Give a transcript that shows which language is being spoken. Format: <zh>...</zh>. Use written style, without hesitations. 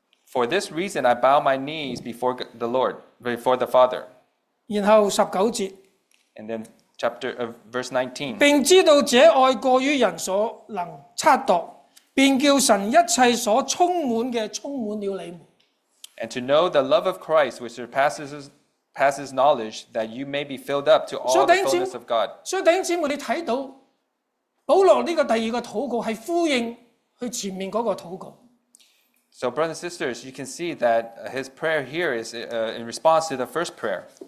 <en>For this reason, I bow my knees before the Lord, before the Father.</en> <yue>然后十九节。</yue> <en>And then chapter of verse 19.</en> <yue>并知道这爱过于人所能察度，便叫神一切所充满嘅充满了你们。</yue> <en>And to know the love of Christ, which surpasses knowledge, that you may be filled up to all the fullness of God.</en> <yue>所以弟兄姊妹，你睇到保罗呢个第二个祷告系呼应佢前面嗰个祷告。</yue> <en>So, brothers and sisters, you can see that his prayer here is in response to the first prayer.</en>